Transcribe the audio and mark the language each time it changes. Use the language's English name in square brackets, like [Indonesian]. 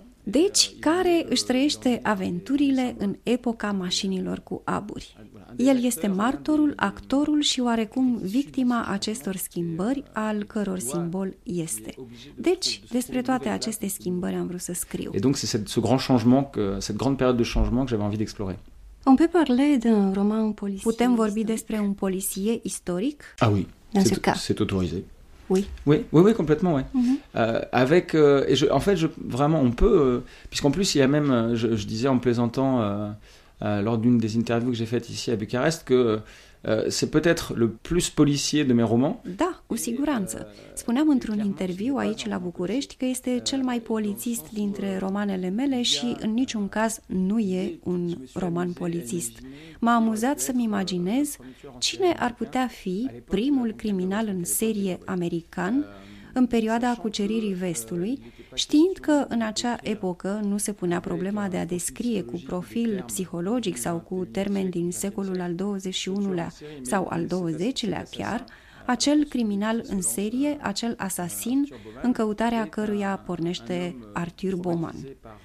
[Romanian] Deci, care își trăiește aventurile în epoca mașinilor cu aburi? El este martorul, actorul și oarecum victima acestor schimbări, al căror simbol este. Deci, despre toate aceste schimbări am vrut să scriu. [French] Et donc c'est ce grand changement que cette grande période de changement que j'avais envie d'explorer. On peut parler d'un roman policier. [Romanian] Putem vorbi despre un policier istoric? [French] Ah oui. C'est autorisé. Oui. Oui, complètement, oui. Avec et je, en fait, je vraiment on peut puisqu'en plus il y a même je disais en plaisantant lors d'une des interviews que j'ai faites ici à Bucarest que c'est peut-être le plus policier de mes romans. [Romanian] Da, cu siguranță. Spuneam într-un interviu aici la București că este cel mai polițist dintre romanele mele și în niciun caz nu e un roman polițist. M-a amuzat să-mi imaginez cine ar putea fi primul criminal în serie american în perioada cuceririi Vestului, știind că în acea epocă nu se punea problema de a descrie cu profil psihologic sau cu termeni din secolul al XXI-lea sau al XX-lea chiar, acel criminal în serie, acel asasin în căutarea căruia pornește Arthur Bowman.